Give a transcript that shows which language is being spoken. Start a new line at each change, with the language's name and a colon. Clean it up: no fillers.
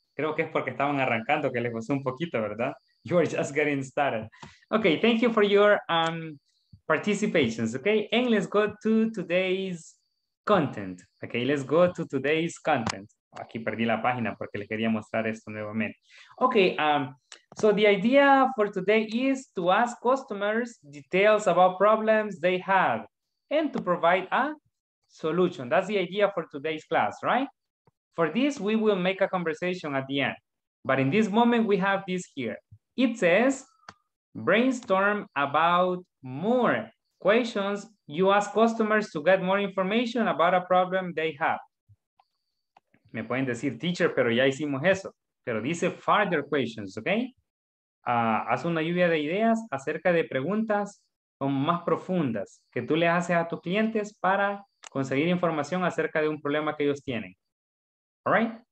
Spanish: Creo que es porque estaban arrancando, que les costó un poquito, ¿verdad?
English: You are just getting started. Okay, thank you for your participations, okay? And let's go to today's content, okay? Let's go to today's content.
Spanish: Aquí perdí la página porque les quería mostrar esto nuevamente.
English: Okay, so the idea for today is to ask customers details about problems they have and to provide a solution. That's the idea for today's class, right? For this, we will make a conversation at the end. But in this moment, we have this here. It says, brainstorm about more questions. You ask customers to get more information about a problem they have.
Spanish: Me pueden decir, teacher, pero ya hicimos eso. Pero dice
English: further questions,
Spanish: okay? Haz una lluvia de ideas acerca de preguntas más profundas que tú le haces a tus clientes para conseguir información acerca de un problema que ellos tienen.
English: All right?